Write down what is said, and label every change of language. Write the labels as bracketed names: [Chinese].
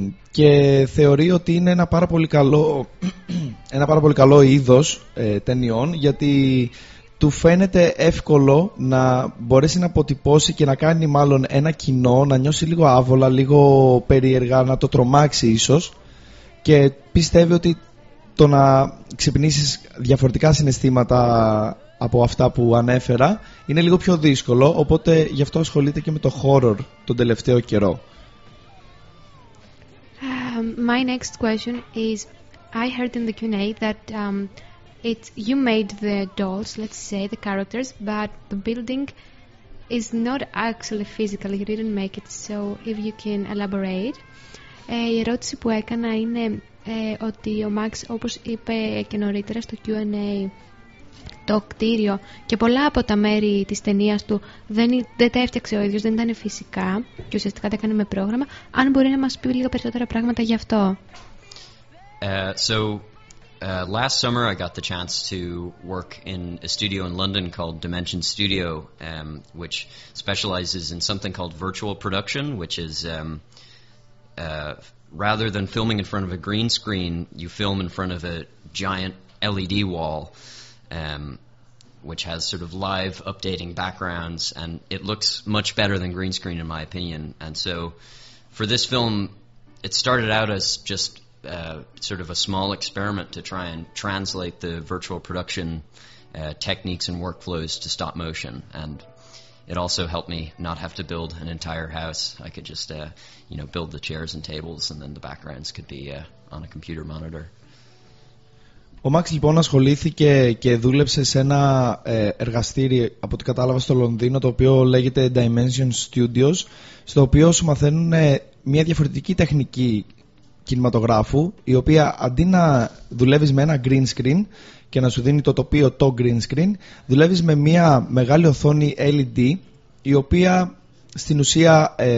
[Greek] Και θεωρεί ότι είναι ένα πάρα πολύ καλό, ένα πάρα πολύ καλό είδος ταινιών, γιατί του φαίνεται εύκολο να μπορέσει να αποτυπώσει και να κάνει μάλλον ένα κοινό να νιώσει λίγο άβολα, λίγο περίεργα, να το τρομάξει ίσως, και πιστεύει ότι το να ξυπνήσεις διαφορετικά συναισθήματα από αυτά που ανέφερα είναι λίγο πιο δύσκολο, οπότε γι' αυτό ασχολείται και με το horror τον τελευταίο καιρό. [English] My next question is, I heard in the Q&A that it's you made the dolls, let's say the characters, but the building is not actually physical, you didn't make it, so if you can elaborate. [Greek] Η ερώτηση που έκανα είναι ότι ο Max, όπως είπε και νωρίτερα στο Q&A, το κτίριο και πολλά από τα μέρη της ταινίας του δεν τα έφτιαξε ο ίδιος, δεν ήταν φυσικά και ουσιαστικά τα έκανε με πρόγραμμα. Αν μπορεί να μας πει λίγα περισσότερα πράγματα γι' αυτό. [English] Last summer I got the chance to work in a studio in London called Dimension Studio, which specializes in something called virtual production, which is rather than filming in front of a green screen, you film in front of a giant LED wall, which has sort of live updating backgrounds, and it looks much better than green screen in my opinion. And so for this film, it started out as just sort of a small experiment to try and translate the virtual production techniques and workflows to stop motion. And it also helped me not have to build an entire house. I could just build the chairs and tables, and then the backgrounds could be on a computer monitor. [Greek] Ο Μαξ λοιπόν ασχολήθηκε και δούλεψε σε ένα εργαστήρι από ό,τι κατάλαβα στο Λονδίνο, το οποίο λέγεται Dimension Studios, στο οποίο σου μαθαίνουν μια διαφορετική τεχνική κινηματογράφου, η οποία αντί να δουλεύεις με ένα green screen και να σου δίνει το τοπίο το green screen, δουλεύεις με μια μεγάλη οθόνη LED, η οποία στην ουσία